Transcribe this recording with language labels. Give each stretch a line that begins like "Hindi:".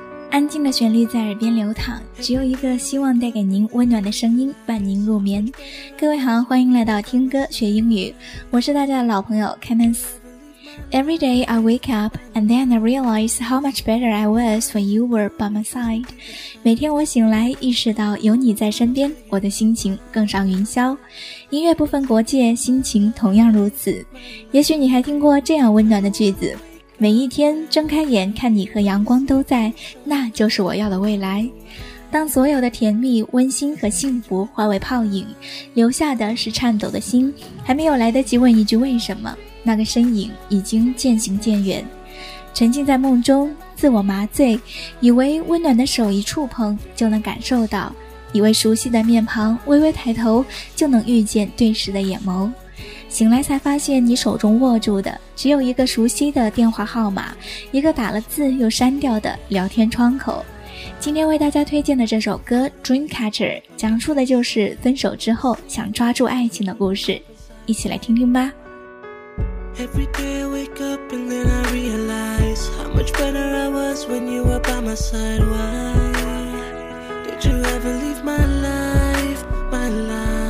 Chinese: 安静的旋律在耳边流淌，只有一个希望带给您温暖的声音伴您入眠。各位好，欢迎来到听歌学英语，我是大家的老朋友 Candice。
English: Every day I wake up and then I realize how much better I was when you were by my side。
Chinese: 每天我醒来意识到有你在身边，我的心情更上云霄。音乐不分国界，心情同样如此。也许你还听过这样温暖的句子，每一天睁开眼看你和阳光都在，那就是我要的未来。当所有的甜蜜温馨和幸福化为泡影，留下的是颤抖的心，还没有来得及问一句为什么，那个身影已经渐行渐远。沉浸在梦中自我麻醉，以为温暖的手一触碰就能感受到，以为熟悉的面庞微微抬头就能遇见对视的眼眸，醒来才发现你手中握住的只有一个熟悉的电话号码，一个打了字又删掉的聊天窗口。今天为大家推荐的这首歌 Dreamcatcher 讲述的就是分手之后想抓住爱情的故事，一起来听听吧。
English: Every day I wake up and then I realize how much better I was when you were by my side. Why did you ever leave my life, my life?